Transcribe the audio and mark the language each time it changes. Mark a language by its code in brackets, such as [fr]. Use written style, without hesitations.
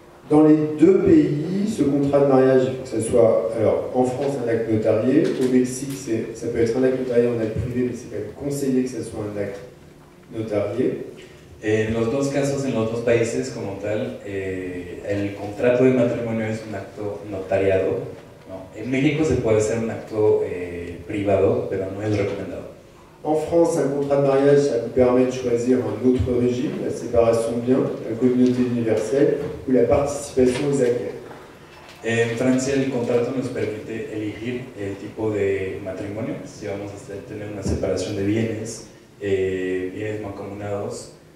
[fr] Dans les deux pays, ce contrat de mariage, que ce soit alors, en France un acte notarié, au Mexique c'est, ça peut être un acte notarié en acte privé, mais c'est quand même conseillé que ce soit un acte notarié. [es] En los dos casos, en los dos países como tal, el contrato de matrimonio es un acto notariado. No. En México se puede hacer un acto privado, pero no es recomendado. [fr] En France, un contrat de mariage, ça vous permet de choisir un autre régime, la séparation de biens, la communauté universelle ou la participation aux acquêts. [es] En Francia, el contrato nos permite elegir el tipo de matrimonio, si vamos a tener una separación de bienes, bienes mancomunados.